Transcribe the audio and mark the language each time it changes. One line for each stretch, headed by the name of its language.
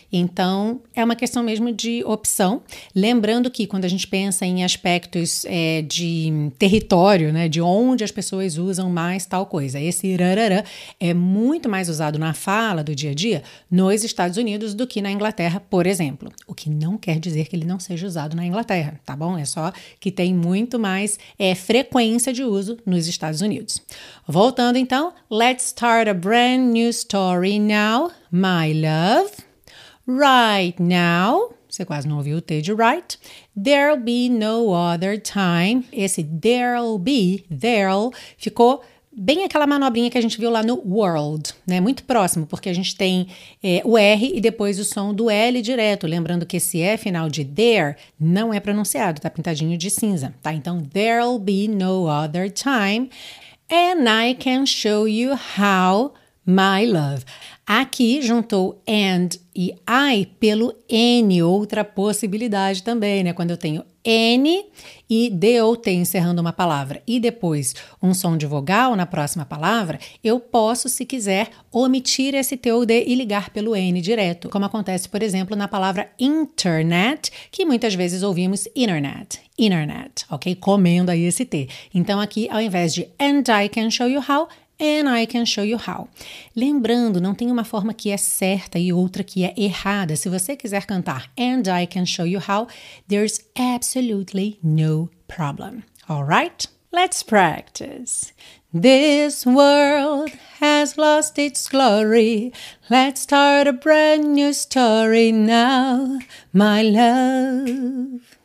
Portuguese: Então, é uma questão mesmo de opção. Lembrando que quando a gente pensa em aspectos de território, né, de onde as pessoas usam mais tal coisa, esse rarara é muito mais usado na fala do dia a dia nos Estados Unidos do que na Inglaterra, por exemplo. O que não quer dizer que ele não seja usado na Inglaterra, tá bom? É só que tem muito mais frequência de uso nos Estados Unidos. Voltando então,
English: let's start a brand new story now. My love, right now,
Portuguese: você quase não ouviu o T de right,
English: there'll be no other time,
Portuguese: esse there'll, ficou bem aquela manobrinha que a gente viu lá no world, né, muito próximo, porque a gente tem o R e depois o som do L direto, lembrando que esse E final de there não é pronunciado, tá pintadinho de cinza, tá, então
English: there'll be no other time, and I can show you how, my love.
Portuguese: Aqui juntou and e I pelo N, outra possibilidade também, né? Quando eu tenho N e D ou T encerrando uma palavra e depois um som de vogal na próxima palavra, eu posso, se quiser, omitir esse T ou D e ligar pelo N direto, como acontece, por exemplo, na palavra internet, que muitas vezes ouvimos internet, internet, ok? Comendo aí esse T. Então aqui, ao invés de
English: and I can show you how, and I can show you how.
Portuguese: Lembrando, não tem uma forma que é certa e outra que é errada. Se você quiser cantar
English: and I can show you how, there's absolutely no problem. All right? Let's practice. This world has lost its glory. Let's start a brand new story now, my love.